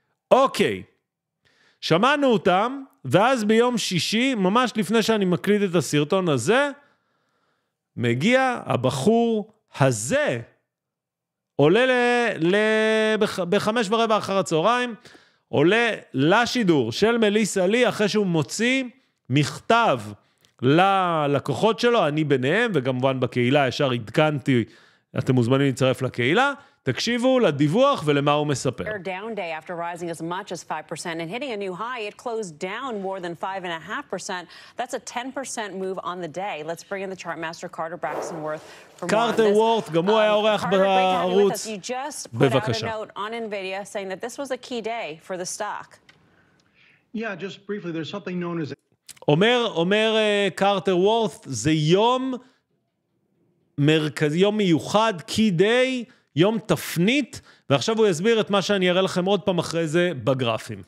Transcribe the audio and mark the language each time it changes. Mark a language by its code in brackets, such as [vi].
[he] אוקיי, שמענו אותם, ואז ביום שישי, ממש לפני שאני מקליד את הסרטון הזה, מגיע הבחור הזה, עולה ב5:15 אחר הצהריים, עולה לשידור של מליסה לי, אחרי שהוא מוציא מכתב ללקוחות שלו, אני ביניהם, וכמובן בקהילה ישר עדכנתי, אתם מוזמנים להצטרף לקהילה, תקשיבו לדיווח ולמה הוא מספר. [en] Our down day after rising as much as 5% and hitting a new high, it closed down more than 5.5%. That's a 10% move on the day. Let's bring in the chart master Carter Braxtonworth. [he] Carter Worth, גם הוא היה אורח בערוץ. [en] You just put out a note on NVIDIA saying that this was a key day for the stock. Yeah, just briefly, there's something known as... [he] אומר Carter Worth, זה יום מרכז, יום מיוחד, key day, יום תפנית, ועכשיו הוא יסביר את מה שאני אראה לכם עוד פעם אחרי זה בגרפים.